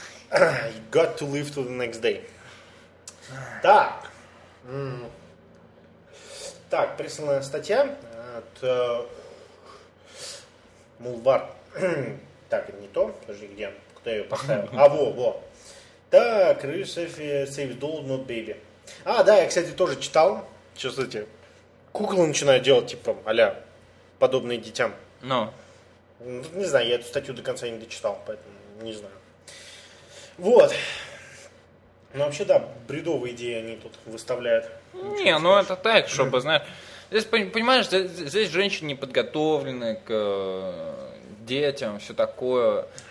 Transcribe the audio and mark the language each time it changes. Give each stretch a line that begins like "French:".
English: You got to live to the next day.
Russian: Так. Так, присланная статья от Мулвар. Так, не то. Подожди, где? Кто ее поставил? А, во. Так, Save Doll, Not Baby. А, да, я, кстати, тоже читал. Что, кстати, куклы начинают делать, типа, а-ля, подобные детям. Но. Ну, не знаю, я эту статью до конца не дочитал, поэтому не знаю. Вот. Ну, вообще, да, бредовые идеи они тут выставляют. Не, ну это так, чтобы, знаешь... Здесь, понимаешь, здесь женщины не подготовлены к детям, все такое.